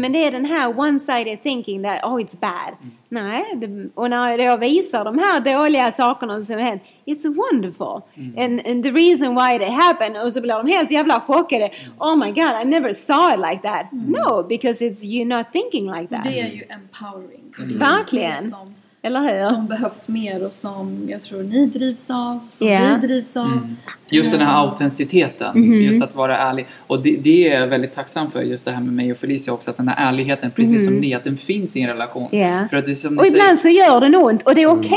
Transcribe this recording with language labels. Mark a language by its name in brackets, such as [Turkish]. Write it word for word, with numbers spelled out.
[Swedish] Men det är den här [English] one-sided thinking that, oh, it's bad. [Swedish] Mm. Nej, det, och när jag visar de här dåliga sakerna som händer, [English] it's wonderful. [Swedish] Mm. [English] And, and the reason why they happened, [Swedish] och så blir de helt jävla chockade. Mm. [English] Oh my god, I never saw it like that. Mm. No, because it's you're not thinking like that. [Swedish] Det är ju empowering. Mm. Verkligen. Eller hur? Som behövs mer, och som jag tror ni drivs av, som yeah. vi drivs av. Mm. Just den här autenticiteten, mm-hmm. just att vara ärlig. Och det, det är jag väldigt tacksam för, just det här med mig och Felicia också, att den här ärligheten, precis mm-hmm. som ni, att den finns i en relation. [English] Yeah. [Swedish] För att det, som och ibland säger, så gör den ont, och det är okej.